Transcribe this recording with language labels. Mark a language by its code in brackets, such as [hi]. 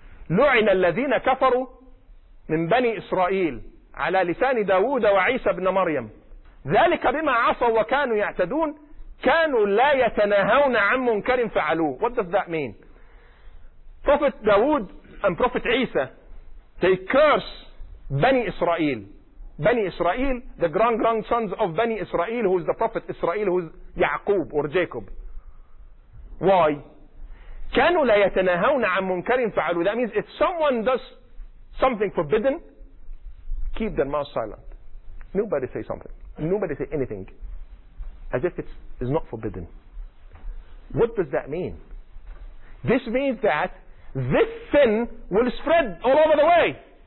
[ar] لُعِنَ الَّذِينَ كَفَرُوا مِنْ بَنِي إِسْرَائِيلِ عَلَى لِسَانِ دَاوُودَ وَعِيسَى بْنَ مَرْيَمْ ذلك بما عصوا وكانوا يعتدون كانوا لا يتناهون عن منكر فعلوه. [en] What does that mean? Prophet Dawood and Prophet Isa, they curse Bani Israel. Bani Israel, the grandsons of Bani Israel, who is the Prophet Israel, who is Yaqub or Jacob. Why? [ar] كانوا لا يتناهون عن منكر فعلوه. [en] That means if someone does something forbidden, keep their mouth silent. Nobody say something. Nobody say anything. As if it's not forbidden. What does that mean? This means that this sin will spread all over the way.